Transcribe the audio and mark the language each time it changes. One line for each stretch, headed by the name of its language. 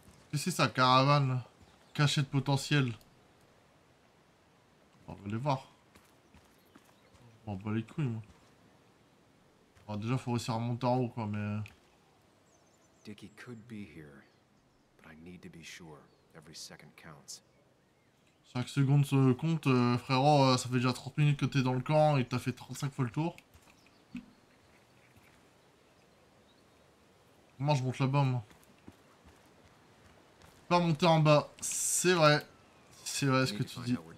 French: Qu'est-ce que c'est sa caravane? Cachette potentielle. On va aller voir. Je m'en bats les couilles, moi. Alors déjà, faut réussir à monter en haut, quoi, mais...
English: Dickie could be here, but I need to be sure. Every second counts.
French: 5 secondes se compte, frérot, ça fait déjà 30 minutes que t'es dans le camp et t'as fait 35 fois le tour. Comment je monte là-bas, moi? Monter en bas, c'est vrai ce que tu dis.